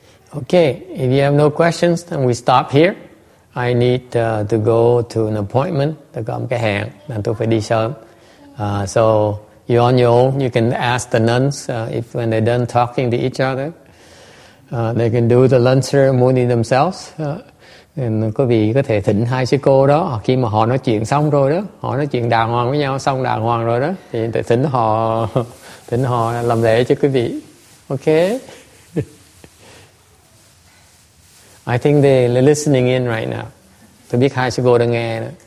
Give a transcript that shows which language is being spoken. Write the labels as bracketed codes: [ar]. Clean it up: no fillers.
[en] Okay, if you have no questions, then we stop here. I need to go to an appointment. [vi] Tôi có một cái hẹn, nên tôi phải đi sớm. [en] So you're on your own. You can ask the nuns if when they're done talking to each other, they can do the lunch ceremony themselves. [vi] Nên quý vị có thể thỉnh hai sư cô đó. Khi mà họ nói chuyện xong rồi đó, họ nói chuyện đàng hoàng với nhau xong đàng hoàng rồi đó, thì thỉnh họ làm lễ cho quý vị. Okay. [en] I think they're listening in right now. [vi] Tôi biết hai sư cô đang nghe đó.